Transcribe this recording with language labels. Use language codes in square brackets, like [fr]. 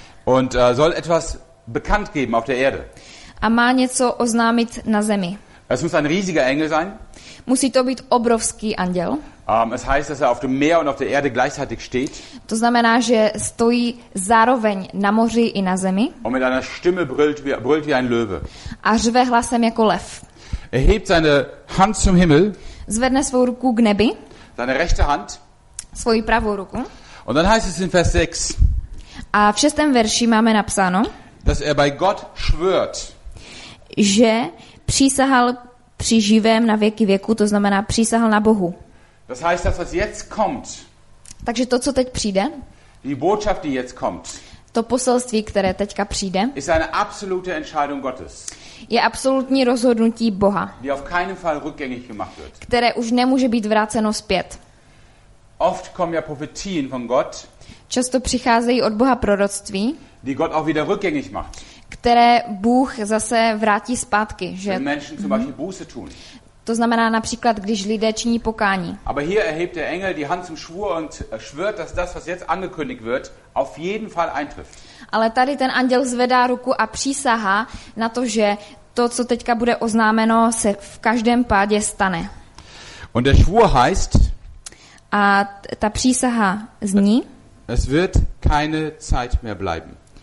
[de] Und soll etwas bekannt geben auf der Erde. [cs] A má něco oznámit na zemi. [de] Es muss ein riesiger Engel sein. [cs] Musí to být obrovský anděl. [de] Es heißt, dass er auf dem Meer und auf der Erde gleichzeitig steht. [cs] To znamená, že stojí zároveň na moři i na zemi. [de] Und mit einer Stimme brüllt wie ein Löwe. [cs] A řve hlasem jako lev. [de] Er hebt seine Hand zum Himmel. [cs] Zvedne svou ruku k nebi. [de] Seine rechte Hand. [cs] Svoji pravou ruku. [de] Und dann heißt es in Vers 6. [cs] A v šestém verši máme napsáno, [de] dass er bei Gott schwört. [cs] Že přísahal při živém na věky věku, to znamená přísahal na Bohu. [de] Das heißt, dass was jetzt kommt. [cs] Takže to, co teď přijde. [de] Die Botschaft, die jetzt kommt. [cs] To poselství, které teďka přijde. [de] Ist eine absolute Entscheidung Gottes. [cs] Je absolutní rozhodnutí Boha. [de] Die auf keinen Fall rückgängig gemacht wird. [cs] Které už nemůže být vráceno zpět. [de] Oft kommen ja Prophetien von Gott. [cs] Často přicházejí od Boha proroctví. [de] Die Gott auch wieder rückgängig macht. [cs] Které Bůh zase vrátí zpátky, že? [de] Wenn Menschen zum Beispiel Buße tun. [cs] To znamená například, když lidé činí pokání. [de] Aber hier erhebt der Engel die Hand zum Schwur und schwört, dass das, was jetzt angekündigt wird, auf jeden Fall eintrifft. [cs] Ale tady ten anděl zvedá ruku a přísahá na to, že to, co teďka bude oznámeno, se v každém pádě stane. [de] Und der Schwur heißt, [cs] a ta přísaha zní, [de] es wird keine Zeit mehr bleiben.